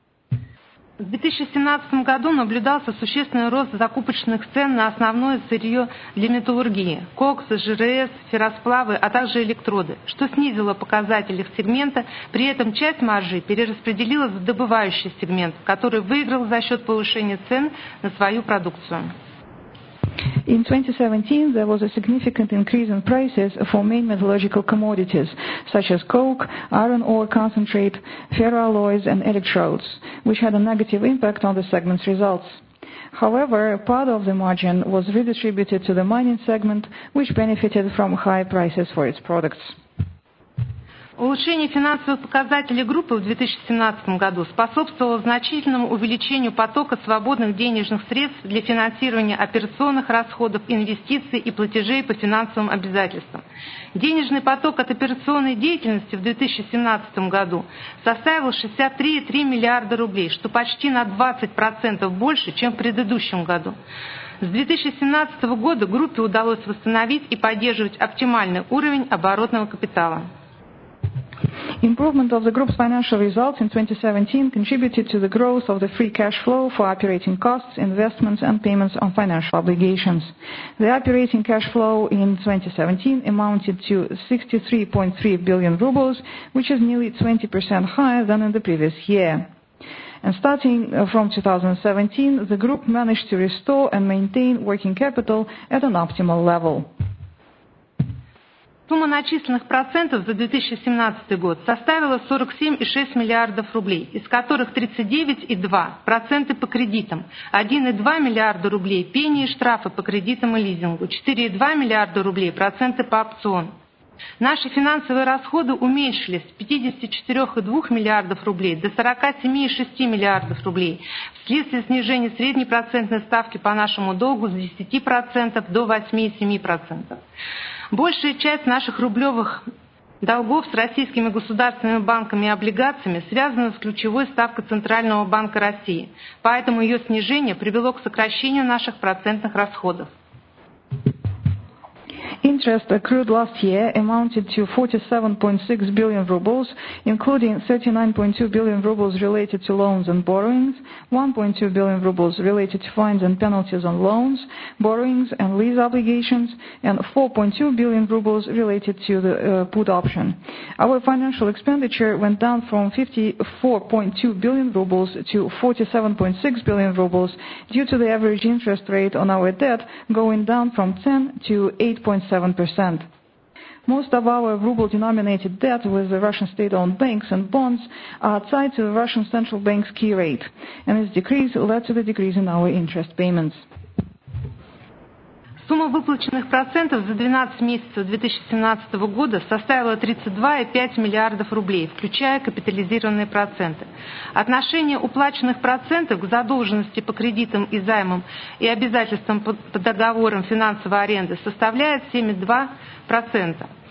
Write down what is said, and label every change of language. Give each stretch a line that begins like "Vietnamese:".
Russian: В 2017 году наблюдался существенный рост закупочных цен на основное сырье для металлургии – кокс, ЖРС, ферросплавы, а также электроды, что снизило показатели сегмента, при этом часть маржи перераспределила в добывающий сегмент, который выиграл за счет повышения цен на свою продукцию.
English: In 2017, there was a significant increase in prices for main metallurgical commodities, such as coke, iron ore concentrate, ferroalloys and electrodes, which had a negative impact on the segment's results. However, part of the margin was redistributed to the mining segment, which benefited from high prices for its products.
Russian: Улучшение финансовых показателей группы в 2017 году способствовало значительному увеличению потока свободных денежных средств для финансирования операционных расходов, инвестиций и платежей по финансовым обязательствам. Денежный поток от операционной деятельности в 2017 году составил 63,3 миллиарда рублей, что почти на 20% больше, чем в предыдущем году. С 2017 года группе удалось восстановить и поддерживать оптимальный уровень оборотного капитала.
English: Improvement of the group's financial results in 2017 contributed to the growth of the free cash flow for operating costs, investments and payments on financial obligations. The operating cash flow in 2017 amounted to 63.3 billion rubles, which is nearly 20% higher than in the previous year. And starting from 2017, the group managed to restore and maintain working capital at an optimal level.
Russian: Сумма начисленных процентов за 2017 год составила 47,6 миллиардов рублей, из которых 39,2% по кредитам, 1,2 миллиарда рублей – пени и штрафы по кредитам и лизингу, 4,2 миллиарда рублей – проценты по опционам. Наши финансовые расходы уменьшились с 54,2 миллиардов рублей до 47,6 миллиардов рублей вследствие снижения средней процентной ставки по нашему долгу с 10% до 8,7%. Большая часть наших рублевых долгов с российскими государственными банками и облигациями связана с ключевой ставкой Центрального банка России, поэтому ее снижение привело к сокращению наших процентных расходов.
English: Interest accrued last year amounted to 47.6 billion rubles, including 39.2 billion rubles related to loans and borrowings, 1.2 billion rubles related to fines and penalties on loans, borrowings and lease obligations, and 4.2 billion rubles related to the put option. Our financial expenditure went down from 54.2 billion rubles to 47.6 billion rubles due to the average interest rate on our debt going down from 10 to 8.7%. Most of our ruble-denominated debt with the Russian state-owned banks and bonds are tied to the Russian Central Bank's key rate, and its decrease led to the decrease in our interest payments.
Russian: Сумма выплаченных процентов за 12 месяцев 2017 года составила 32,5 миллиардов рублей, включая капитализированные проценты. Отношение уплаченных процентов к задолженности по кредитам и займам и обязательствам по договорам финансовой аренды составляет 7,2%.